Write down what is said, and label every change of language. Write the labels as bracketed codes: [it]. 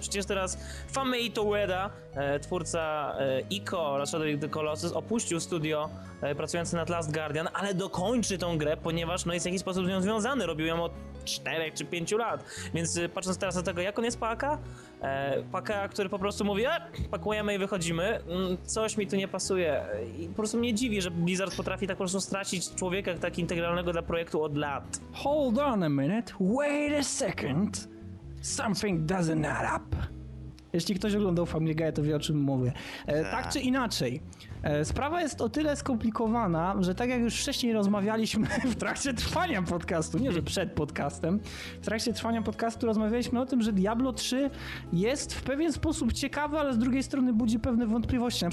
[pl] Przecież teraz Fumito Ueda, twórca Ico oraz Shadow of the Colossus, opuścił studio pracujące nad Last Guardian, ale dokończy tą grę, ponieważ no, jest w jakiś sposób z nią związany. Robił ją od 4 czy 5 lat, więc patrząc teraz na tego, jak on jest paka, który po prostu mówi, pakujemy i wychodzimy, coś mi tu nie pasuje. I po prostu mnie dziwi, że Blizzard potrafi tak po prostu stracić człowieka tak integralnego dla projektu od lat. [en] Hold on a minute, wait a second, something doesn't add up. [pl] Jeśli ktoś oglądał Family Guy, to wie, o czym mówię. Tak czy inaczej, sprawa jest o tyle skomplikowana, że tak jak już wcześniej rozmawialiśmy w trakcie trwania podcastu, nie że przed podcastem, w trakcie trwania podcastu rozmawialiśmy o tym, że Diablo 3 jest w pewien sposób ciekawy, ale z drugiej strony budzi pewne wątpliwości.